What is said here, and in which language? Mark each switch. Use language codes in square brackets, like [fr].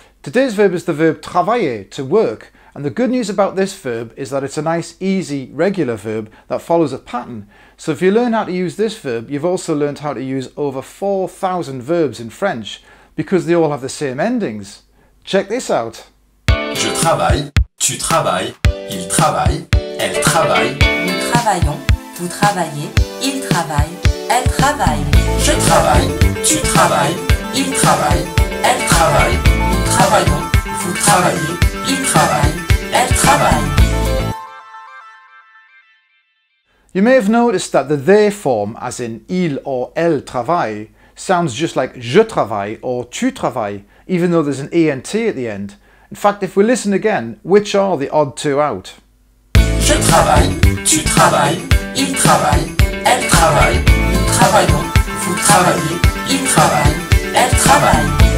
[en] Today's verb is the verb travailler, to work. And the good news about this verb is that it's a nice, easy, regular verb that follows a pattern. So if you learn how to use this verb, you've also learned how to use over 4,000 verbs in French, because they all have the same endings. Check this out. [fr] Je travaille, tu travailles, il travaille, elle travaille. Nous travaillons, vous travaillez, il travaille, elle travaille. Je travaille, tu travailles, il travaille, elle travaille. Nous travaillons, vous travaillez, il travaille, elle travaille. [en] You may have noticed that the they form, as in il or elle travaille, sounds just like je travaille or tu travailles, even though there's an ent at the end. In fact, if we listen again, which are the odd two out? [fr] Je travaille, tu travailles, il travaille, elle travaille, nous travaillons, vous travaillez, il travaille, elle travaille.